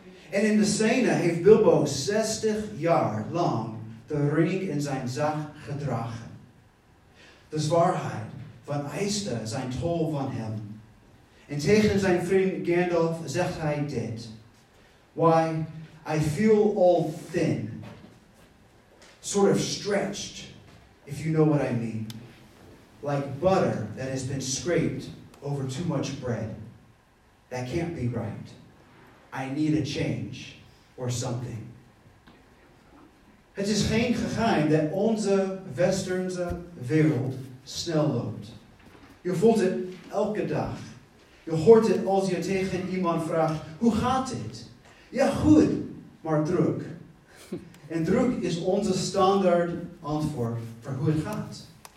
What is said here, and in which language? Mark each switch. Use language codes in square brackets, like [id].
[nl] En in de scène heeft Bilbo 60 jaar lang de ring in zijn zak gedragen. De zwaarheid van eiste zijn tol van hem. En tegen zijn vriend Gandalf zegt hij dit. [en] Why, I feel all thin. Sort of stretched, if you know what I mean. Like butter that has been scraped over too much bread. That can't be right. I need a change or something. [nl] Het is geen geheim dat onze westerse wereld snel loopt. Je voelt het elke dag. Je hoort het als je tegen iemand vraagt, hoe gaat het? Ja, goed, maar druk. En druk is onze standaard antwoord voor hoe het gaat.